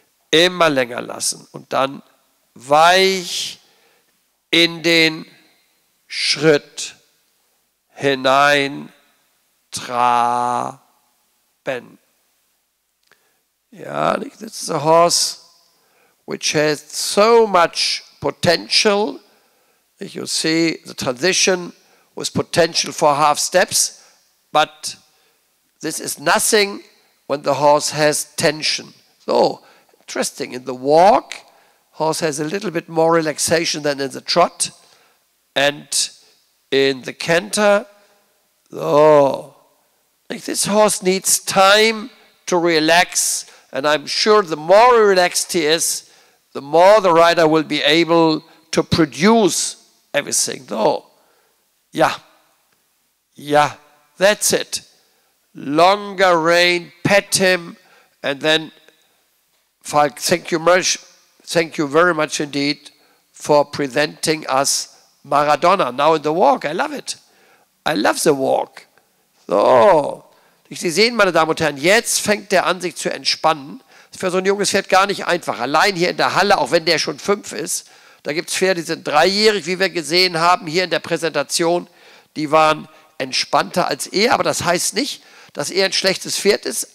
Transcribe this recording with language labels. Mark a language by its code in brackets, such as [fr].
[de] Und dann weich in den Schritt hinein traben. [en] Ja, this is a horse which has so much potential. You see the transition with potential for half steps, but this is nothing when the horse has tension. So, interesting, in the walk, horse has a little bit more relaxation than in the trot, and in the canter, so, this horse needs time to relax, and I'm sure the more relaxed he is, the more the rider will be able to produce everything. Though, yeah, that's it. Longer rein, pet him, and then, Falk, thank you very much indeed for presenting us Maradona. Now in the walk, I love it. I love the walk. [de] So, Sie sehen, meine Damen und Herren, jetzt fängt der an, sich zu entspannen. Für so ein junges Pferd gar nicht einfach. Allein hier in der Halle, auch wenn der schon 5 ist, da gibt es Pferde, die sind 3-jährig, wie wir gesehen haben hier in der Präsentation. Die waren entspannter als er, aber das heißt nicht, dass er ein schlechtes Pferd ist.